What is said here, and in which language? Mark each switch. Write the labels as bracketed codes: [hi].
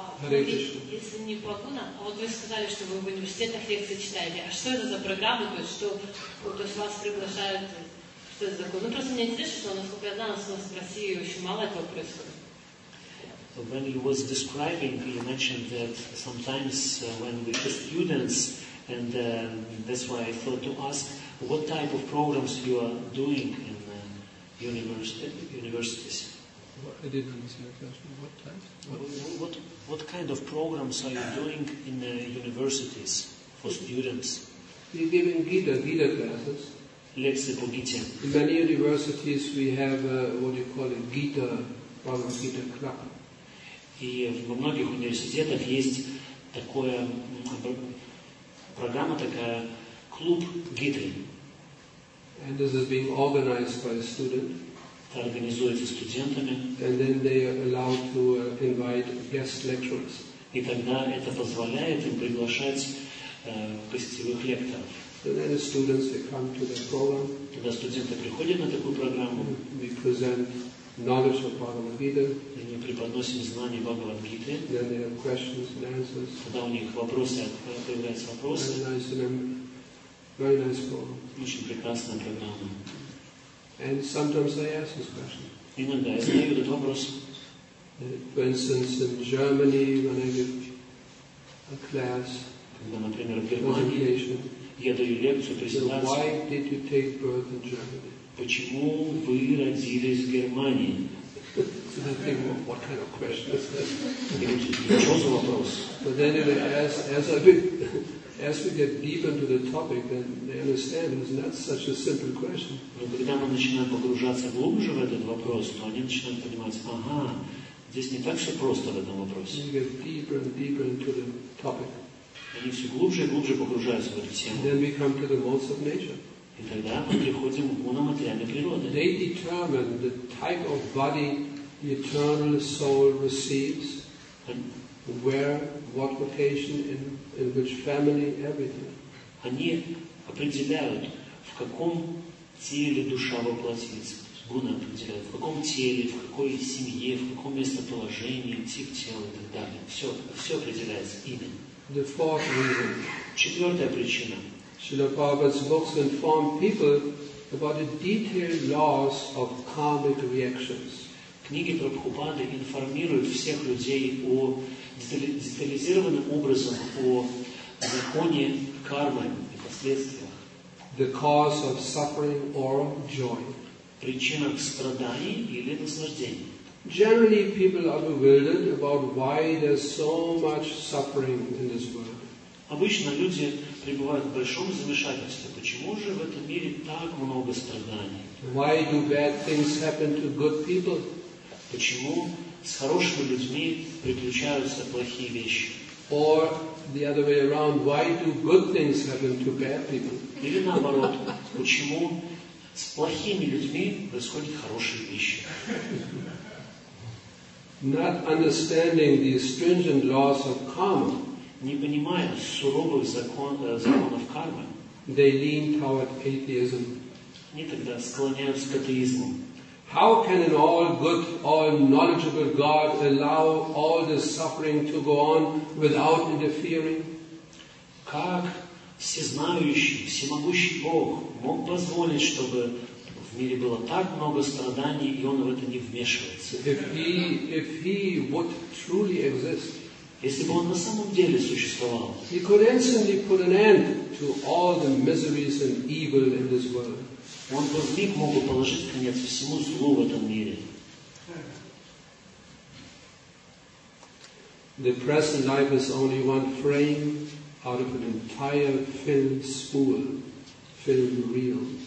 [ru] Если не по гунам, а вот вы сказали, что вы в университетах лекции читаете, а что это за программа, то есть что, то есть вас приглашают, что это за гун? Ну просто мне интересно, что насколько я знаю, у нас в России очень мало этого происходит. [en] When you was describing, you mentioned that sometimes when we the students And that's why I thought to ask, what type of programs you are doing in universities? I didn't understand your question. What type? What kind of programs are you doing in the universities for students? We're giving Gita classes. [ru] Lekcje po Gita. [en] In many universities we have what you call a Gita, Bhagavad Gita club. [ru] И во многих университетах есть такое программа, такая клуб Гиты. [en] And this is being organized by a student. [ru] Организуется студентами. [en] And then they are allowed to invite guest lecturers. [ru] И тогда это позволяет им приглашать гостевых лекторов. [en] So then the students they come to the program. [ru] Когда студенты приходят на такую программу, [en] we present knowledge of Bhagavad Gita. [ru] Они преподносим знания Бхагавад Гиты. [en] Then they have questions and answers. [ru] Когда у них вопросы, появляются вопросы. [en] Very nice, very nice program. [ru] Очень прекрасная программа. [en] And sometimes I ask this question. [ru] Иногда я задаю этот вопрос. [en] For instance, in Germany, when I give a class, [ru] когда, например, в Германии я даю лекцию, презентацию. [en] Why did you take birth in Germany? [ru] Почему вы родились в Германии? [en] What kind of question is that? [ru] Что за вопрос? [en] But then, anyway, as we get deep into the topic, then they understand it's not such a simple question. [ru] Но когда мы начинаем погружаться глубже в этот вопрос, то они начинают понимать: ага, здесь не так все просто в этом вопросе. [en] You get deeper and deeper into the topic. [ru] Они все глубже и глубже погружаются в эту тему. [en] Then we come to the modes of nature. [ru] И тогда мы приходим к гунам материальной природы. [en] They determine the type of body the eternal soul receives, where, what location, in which family, everything. [ru] Они определяют, в каком теле душа воплотится. Гуны определяют, в каком теле, в какой семье, в каком местоположении, тип тела и так далее. Все, все определяется ими. [en] The fourth reason. [ru] Четвертая причина. [en] Srila Prabhupada's books inform people about the detailed laws of karmic reactions. [ru] Книги Прабхупады информируют всех людей о детализированном образе о законе кармы и последствиях. [en] The cause of suffering or joy. [ru] Причина страданий или наслаждений. [en] Generally, people are bewildered about why there's so much suffering in this world. [ru] Обычно люди пребывают в большом замешательстве. Почему же в этом мире так много страданий? [en] Why do bad things happen to good people? [ru] Почему с хорошими людьми приключаются плохие вещи? [en] Or the other way around, why do good things happen to bad people? [ru] Или наоборот, почему с плохими людьми происходят хорошие вещи? [en] Not understanding the stringent laws of karma. [ru] Не понимая суровых законов кармы, [en] they lean toward atheism. [ru] Они тогда склоняются к атеизму. [en] How can an all good, all knowledgeable God allow all this suffering to go on without interfering? [ru] Как всезнающий, всемогущий Бог мог позволить, чтобы в мире было так много страданий, и Он в это не вмешивается? [en] If he would truly exist. [ru] Если бы он на самом деле существовал, [en] he could instantly put an end to all the miseries and evil in this world. [ru] Он бы в миг мог положить конец всему злу в этом мире. [en] The present life is only one frame out of an entire film spool, film reel.